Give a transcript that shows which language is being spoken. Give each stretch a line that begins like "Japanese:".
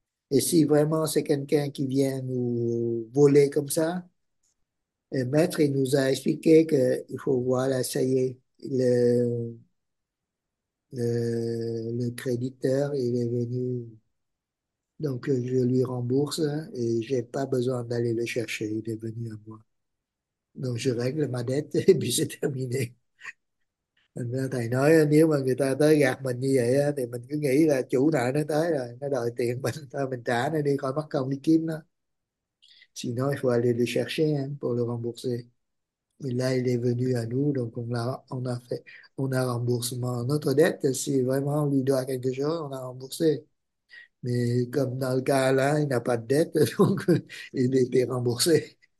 French: Et si vraiment c'est quelqu'un qui vient nous voler comme ça, le maître, il nous a expliqué qu'il faut voir, là, ça y est, le créditeur, il est venu. Donc, je lui rembourse et j'ai pas besoin d'aller le chercher. Il est venu à moi. Donc, je règle ma dette et puis c'est terminé.
Vietnamese: Nên thầy nói nếu mà người ta tới gạt mình như vậy á, thì mình cứ nghĩ là chủ nợ nó tới rồi, nó đòi tiền mình, thôi mình trả nó đi, khỏi mất công đi kiếm nó.
French: Sinon, il faut aller le chercher hein, pour le rembourser. Et là, il est venu à nous, donc on a remboursement. Notre dette, si vraiment on lui doit quelque chose, on a remboursé. Mais comme dans le cas là, il n'a pas de dette, donc il était remboursé.